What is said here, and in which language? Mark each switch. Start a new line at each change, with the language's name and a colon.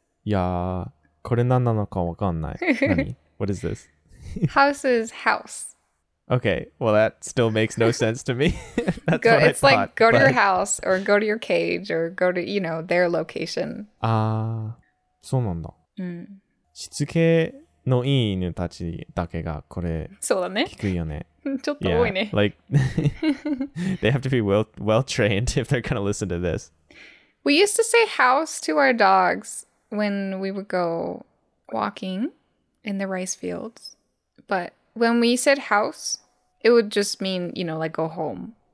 Japanese: Yeah, これ何なのか分かんない。何?
English: What is this? House is house. Okay, well that still makes no sense to me. That's go, what it's I thought, like go but... to your house or go to your cage or go to, you know, their location.
Japanese: Ah, そうなんだ。しつけのいい犬たちだけがこれ聞くよね。ちょっと多いね。
English: Like, they have to be well-trained if they're going to listen to this. We used to say house to our dogs when we would go walking in the rice fields. But when we said house, it would just mean, you know, like go home.